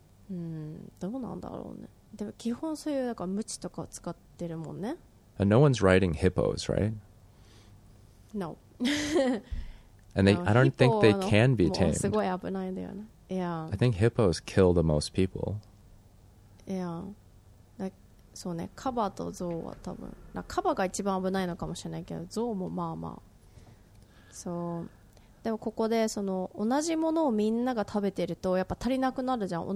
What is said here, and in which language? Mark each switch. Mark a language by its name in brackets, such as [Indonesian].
[Japanese] うん、どうなんだろうね。でも基本そういうなんかムチとかを使ってるもんね。 [English] And no one's riding hippos, right? No. And they, I don't think they can be tamed. [Japanese] すごい危ないんだよね。 [English] Yeah. I think hippos kill the most people. Yeah. [Japanese] Like, そうね、カバとゾウは多分、なカバが一番危ないのかもしれないけど、ゾウもまあまあ。So, でもここでその同じものをみんなが食べてるとやっぱ足りなくなるじゃん。